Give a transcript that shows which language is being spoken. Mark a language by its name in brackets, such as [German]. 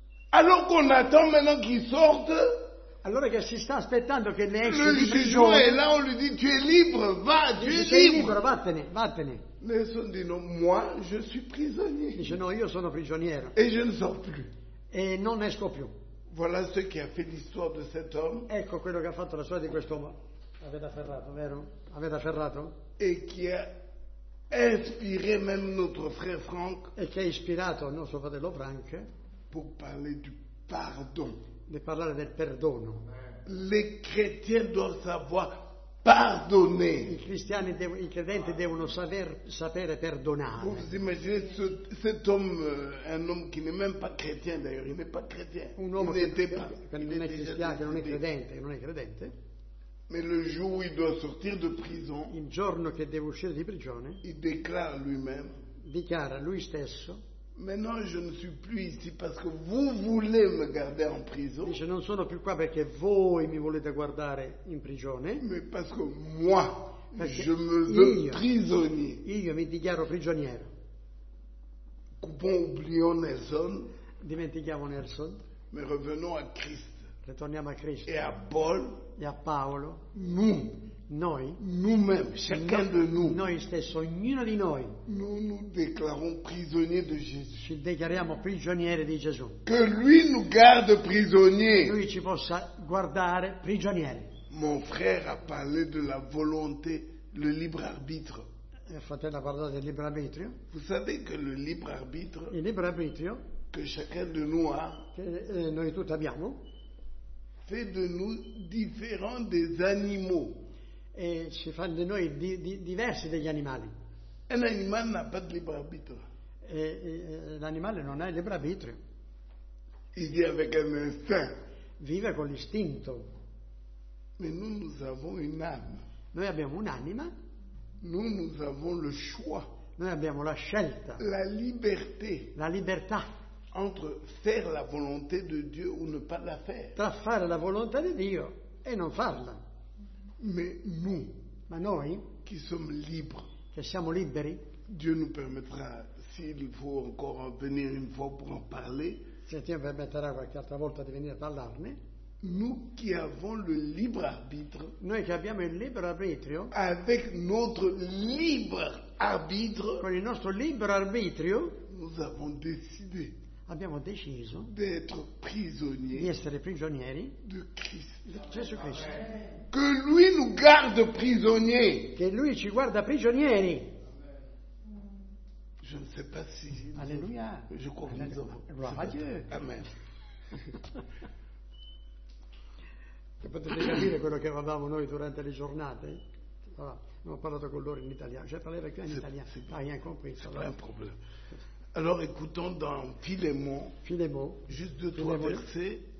[French] Alors qu'on attend maintenant qu'il sorte. [Italian] Allora che si sta aspettando che ne esca. [French] Le [Italian] giudice è là, [French] on lui dit tu es libre, va, tu es libre. [Italian] Vattene. [French] Nelson dit non, moi je suis prisonnier. [Italian] Dice no, io sono prigioniero. [French] Et je ne sors plus. [Italian] E non esco più. [French] Voilà ce qui a fait l'histoire de cet homme. [Italian] Ecco quello che ha fatto la storia di quest'uomo. Avete afferrato, vero? Avete afferrato? [French] Et qui a inspiré même notre frère Franck. [Italian] E che ha ispirato il nostro fratello Frank. [French] Pour parler du pardon. [Italian] Di parlare del perdono. [French] Les chrétiens doivent savoir pardonner. [Italian] I credenti devono sapere perdonare. [French] Vous imaginez cet homme, un homme qui n'est même pas chrétien d'ailleurs, il n'est pas chrétien. [Italian] Un uomo che non è credente. [French] Mais le jour où il doit sortir de prison, [Italian] il giorno che deve uscire di prigione, [French] il déclare lui-même, [Italian] dichiara lui stesso, [French] Maintenant, je ne suis plus ici parce que vous voulez me garder en prison. [Italian] Dice, non sono più qua perché voi mi volete guardare in prigione. [French] Mais parce que moi, je me veux prisonnier. [Italian] Io mi dichiaro prigioniero. [French] Coupons, oublions Nelson. [Italian] Dimentichiamo Nelson. [French] Mais revenons à Christ. [Italian] Ritorniamo a Cristo. [French] Et à Paul. [Italian] E a Paolo. [French] Nous. [Italian] Noi. [French] Nous-mêmes, chacun de nous. [Italian] Noi stessi, ognuno di noi. [French] Nous nous déclarons prisonniers de Jésus. [Italian] Ci dichiariamo prigionieri di Gesù. [French] Que lui nous garde prisonniers. [Italian] Lui ci possa guardare prigionieri. [French] Mon frère a parlé de la volonté, le libre arbitre. [Italian] Il fratello ha parlato del libero arbitrio. [French] Vous savez que le libre arbitre. [Italian] Il libero arbitrio. [French] Que chacun de nous a. [Italian] Che noi tutti abbiamo. [French] Fait de nous différents des animaux. [Italian] E ci fa di noi diversi degli animali. [French] Un animal n'a pas de libre arbitre. [Italian] L'animale non ha il libero arbitrio. [French] Il vit avec un instinct. [Italian] Vive con l'istinto. [French] Mais nous avons une âme. [Italian] Noi abbiamo un'anima. [French] Nous avons le choix. [Italian] Noi abbiamo la scelta. [French] La liberté. [Italian] La libertà. [French] Entre faire la volonté de Dieu ou ne pas la faire. [Italian] Tra fare la volontà di Dio e non farla. [French] Mais nous, [Italian] ma noi, [French] qui sommes libres, [Italian] che siamo liberi, [French] Dieu nous permettra, s'il faut encore venir une fois pour en parler, [Italian] se Dio permetterà qualche altra volta di venire a parlarne, [French] nous qui avons le libre arbitre, [Italian] noi che abbiamo il libero arbitrio, [French] avec notre libre arbitre, [Italian] con il nostro libero arbitrio, [French] nous avons décidé, [Italian] abbiamo deciso, [French] d'être prisonniers, [Italian] di essere prigionieri, [French] de Christ, [Italian] di Gesù Cristo. [French] Que lui nous garde prisonniers. [Italian] Che lui ci guarda prigionieri. [French] Je ne sais pas si. Alléluia. Je crois que nous avons. Gloire à Dieu. Amen. [Italian] Che potete capire quello che avevamo noi durante le giornate. Allora, non ho parlato con loro in italiano. Cioè, parlare più in italiano. [French] C'est pas rien compris. C'est pas un problème. Alors, écoutons dans Philémon. Philémon. Juste deux, trois versets.